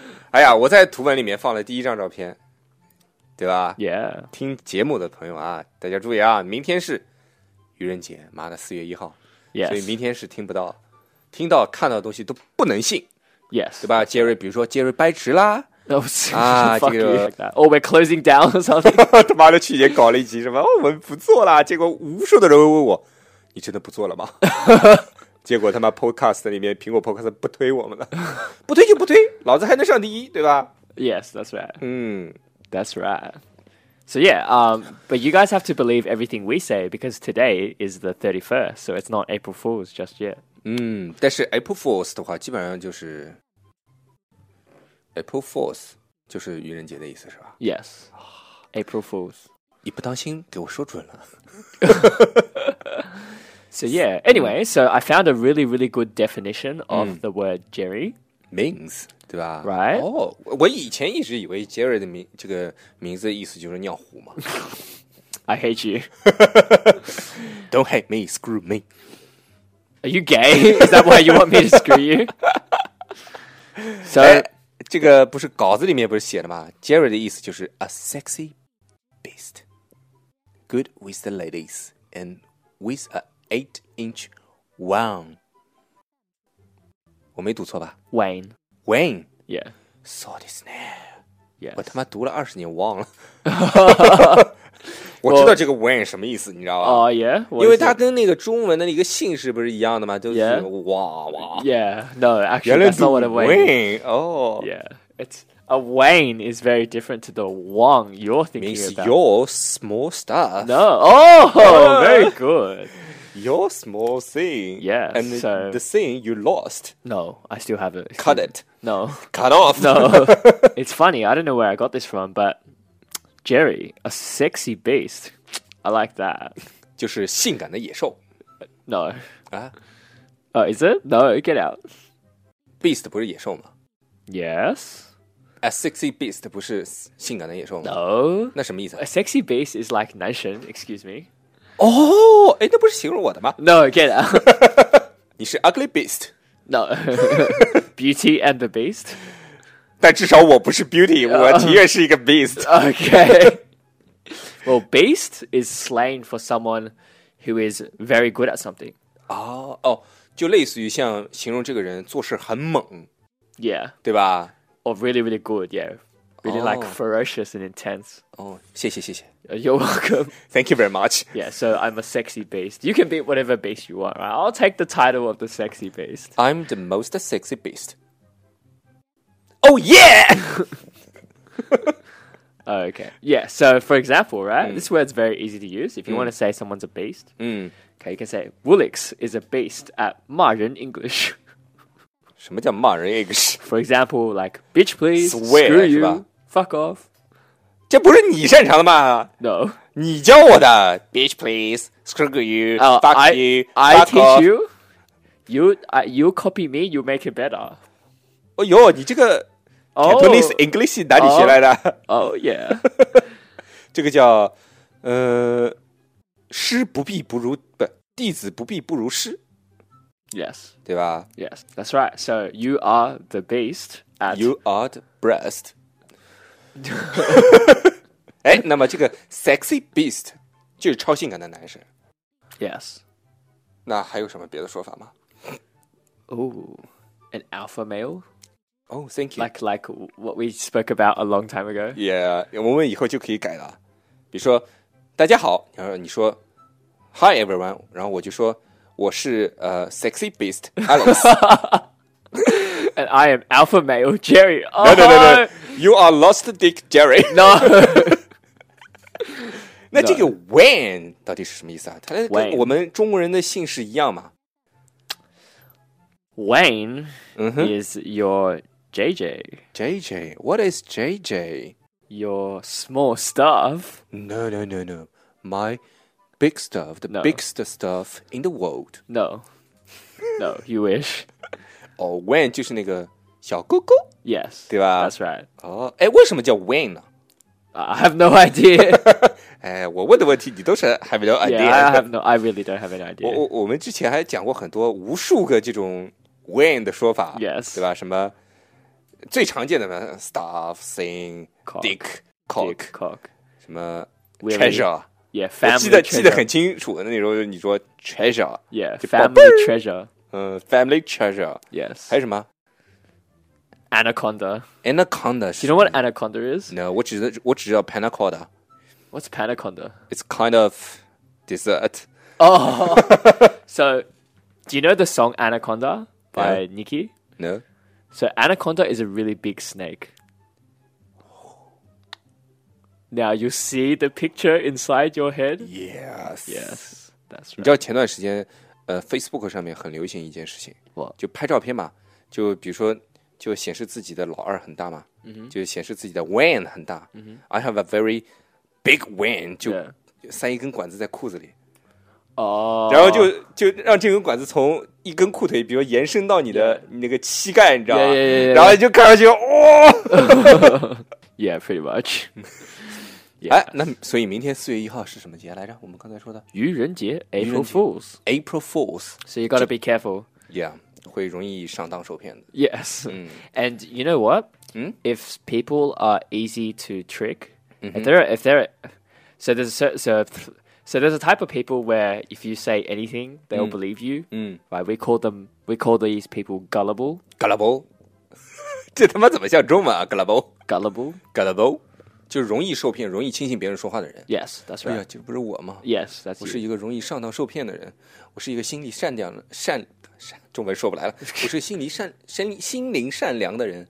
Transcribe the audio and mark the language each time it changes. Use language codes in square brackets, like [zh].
[zh] 哎呀我在图文里面放了第一张照片 对吧 [en] yeah. [zh] 听节目的朋友啊 大家注意啊 明天是愚人节 妈的4月1号 [en] yes. [zh] 所以明天是听不到 听到看到的东西都不能信 [en] yes. [zh] 对吧 Jerry 比如说Jerry掰直啦 [en] Oh, we're closing down or something [zh] 他妈的去年搞了一集什么 我们不做啦 结果无数的人问我 你真的不做了吗? 结果他妈Podcast里面 苹果Podcast不推我们了 不推就不推 老子还能上第一 对吧? [en] Yes, that's right. That's right. So yeah, but you guys have to believe everything we say because today is the 31st, so it's not April Fool's just yet. [zh] 但是April Fool's的话 基本上就是 April Fool's 就是愚人节的意思是吧? [en] Yes, April Fool's. [zh] 你不当心给我说准了 [en] So yeah, anyway, so I found a really, really good definition of the word Jerry. [zh] Means, 对吧? [en] Right? [zh] Oh, 我以前一直以为 Jerry的名字的意思就是尿壶嘛。 [en] I hate you. Don't hate me, screw me. Are you gay? Is that why you want me to screw you? So, [zh] 这个不是稿子里面不是写的吗? Jerry的意思就是 [en] a sexy beast. Good with the ladies and with a... 8-inch Wang. [zh] 我没读错吧? [en] Wayne. Wayne? Yeah. Sort his name. Yes. [zh] 我他妈读了20年忘了。我知道这个Wayne什么意思, 你知道吗? [en] Oh, yeah? [zh] 因为他跟那个中文的那个姓氏不是一样的吗? 就是哇哇。 [en] Yeah, no, actually, that's not what a Wayne. Wayne, oh. Yeah. A Wayne is very different to the Wang you're thinking means about. Means your small stuff. No, oh, very good. Your small thing. Yes. And so, the thing you lost. No, I still have it. Cut it. No. Cut off. No. It's funny. I don't know where I got this from, but Jerry, a sexy beast. I like that. [zh] 就是性感的野兽. [en] No. Ah. Oh, is it? No, get out. [zh] Beast不是野兽吗? [en] Yes. [zh] A sexy beast不是性感的野兽吗? [en] No. [zh] 那什么意思? [en] A sexy beast is like 男神, excuse me. [zh] 哦,诶,那不是形容我的吗? [en] No, get out. [zh] 你是 [en] ugly beast. No, beauty and the beast. [zh] 但至少我不是 beauty, 我的确是一个 beast. [en] Okay. Well, beast is slang for someone who is very good at something. [zh] 哦,就类似于像形容这个人做事很猛。 [en] Yeah. [zh] 对吧? [en] Or really, really good, yeah. Really like ferocious and intense. [zh] Oh, 谢谢。 [en] You're welcome. Thank you very much. Yeah, so I'm a sexy beast. You can be whatever beast you want, right? I'll take the title of the sexy beast. I'm the most sexy beast. Oh, yeah! Okay. Yeah, so for example, right? This word's very easy to use. If you want to say someone's a beast, okay, you can say, Woolix is a beast at 骂人 English. [zh] 什么叫骂人 English? [en] For example, like, bitch please, swear, screw you, fuck off. [zh] 这不是你擅长的吗? [en] No. [zh] 你教我的, [en] bitch please, screw you, fuck you, I fuck teach off. You. You copy me, you make it better. [zh] 哎呦,你这个 Cantonese English 哪里学来的? [en] Yeah. [zh] 这个叫, 师不必不如, 弟子不必不如师。 [en] Yes. [zh] 对吧? [en] Yes, that's right. So you are the beast. At you are the breast. [zh] 那么这个 [en] sexy beast [zh] 就是超性感的男生 [en] Yes [zh] 那还有什么别的说法吗? [en] Oh, an alpha male? Oh, thank you. Like what we spoke about a long time ago? [zh] Yeah, 我们以后就可以改了 比如说,大家好 然后你说 [en] Hi everyone [zh] 然后我就说我是 [en] sexy beast Alex and I am alpha male Jerry. No. You are lost dick Jerry. No. [zh] 那这个 when 到底是什么意思啊？它跟我们中国人的姓是一样吗？ [en] Wayne is your JJ. JJ, what is JJ? Your small stuff. No. My big stuff, biggest stuff in the world. No, you wish. [zh] Oh, Wayne 就是那个小哥哥。 [en] Yes, [zh] 对吧？ [en] That's right. [zh] 哦，为什么叫 Wayne 呢？ [en] I have no idea. [zh] 哎，我问的问题你都是 [en] have no idea. Yeah, I really don't have an idea. [zh] 我们之前还讲过很多无数个这种 when 的说法。 [en] Yes. [zh] 对吧？什么最常见的呢 ？ [en] Stuff, thing, cock, dick, cock, dick, cock. [zh] 什么 treasure? [en] Really? Yeah, family. [zh] 记得很清楚的那时候，你说 treasure. [en] Yeah, family treasure. Family treasure. Yes. 还有什么？ Anaconda. Anaconda. Do you know what anaconda is? No, [zh] 我只知道 panna cotta. [en] What's panna cotta? It's kind of dessert. Oh. So, do you know the song Anaconda by Nicki? No. So, anaconda is a really big snake. Now, you see the picture inside your head? Yes. Yes, that's right. [zh] 你知道前段时间Facebook 上面很流行一件事情。 [en] What? [zh] 就拍照片嘛。就比如说就显示自己的老二很大嘛、 mm-hmm. 就显示自己的 wang 很大、 mm-hmm. [en] I have a very big wang [zh] 就塞一根管子在裤子里、 [en] yeah. [zh] 然后就让这根管子从一根裤腿比如延伸到你的、 [en] yeah. [zh] 你那个膝盖你知道吗、 [en] yeah, yeah, yeah, yeah. [zh] 然后就看上去哇、哦、 [en] Yeah, pretty much、 yeah. [zh] 哎、那所以明天4月1号是什么节来着我们刚才说的愚人节 April Fools [en] April Fools So you gotta be careful Yeah [zh] 会容易上当受骗的。 [en] Yes,、嗯、 and you know what?、嗯、 if people are easy to trick,、嗯、 if there, so there's a type of people where if you say anything, they'll、嗯、 believe you.、嗯、 right? We call these people gullible. Gullible, [zh] 这他妈怎么像中文啊 ？Gullible, [en] gullible, gullible, [zh] 就容易受骗、容易轻信别人说话的人。 [en] Yes, that's right. [zh] 哎呀，这不是我吗 [en] ？Yes, that's you. [zh] 我是一个容易上当受骗的人。我是一个心里善良中文说不来了。我是心灵善良的人。